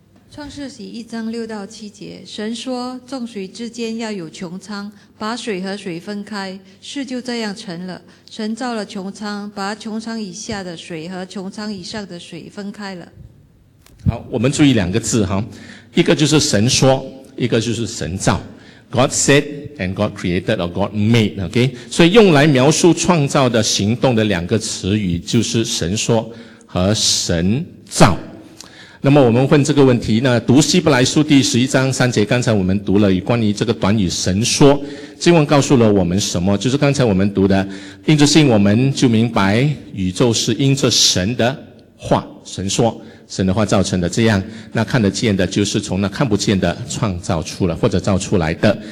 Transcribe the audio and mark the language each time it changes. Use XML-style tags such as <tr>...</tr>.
<zh>创世纪一章六到七节，神说众水之间要有穹苍，把水和水分开，事就这样成了。神造了穹苍，把穹苍以下的水和穹苍以上的水分开了。好，我们注意两个字哈，一个就是神说，一个就是神造。</zh> <en>God said and God created or God made, okay?</en> <zh>所以用来描述创造的行动的两个词语就是神说和神造。那么我们问这个问题呢，读希伯来书第十一章三节，刚才我们读了关于这个短语神说，经文告诉了我们什么？就是刚才我们读的，因着信我们就明白宇宙是因着神的话，神说神的话造成的，这样那看得见的就是从那看不见的创造出了或者造出来的。</zh>